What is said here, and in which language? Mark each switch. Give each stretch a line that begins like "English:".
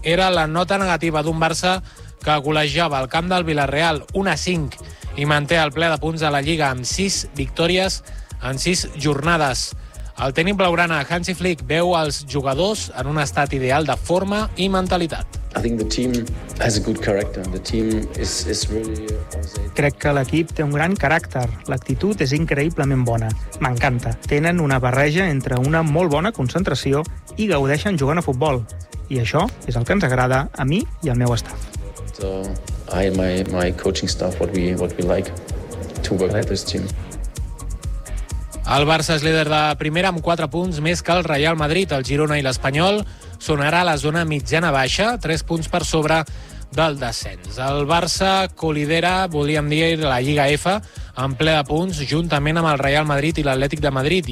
Catalan: Era la nota negativa d'un Barça que golejava el camp del Villarreal 1-5 i manté el ple de punts a la Lliga amb 6 victòries en 6 jornades. El tècnic blaugrana Hansi Flick veu els jugadors en un estat ideal de forma i mentalitat.
English: I think the team has a good character. The team is really awesome.
Catalan: Crec que l'equip té un gran caràcter. L'actitud és increïblement bona. M'encanta. Tenen una barreja entre una molt bona concentració i gaudeixen jugant a futbol. I això és el que ens agrada a mi i al meu staff.
English: So, I and my coaching staff what we like to work with this team.
Catalan: El Barça és líder de primera amb 4 punts més que el Real Madrid, el Girona i l'Espanyol. Sonarà a la zona mitjana baixa, 3 punts per sobre del descens. El Barça colidera, volíem dir, la Lliga F en ple de punts, juntament amb el Real Madrid i l'Atlètic de Madrid.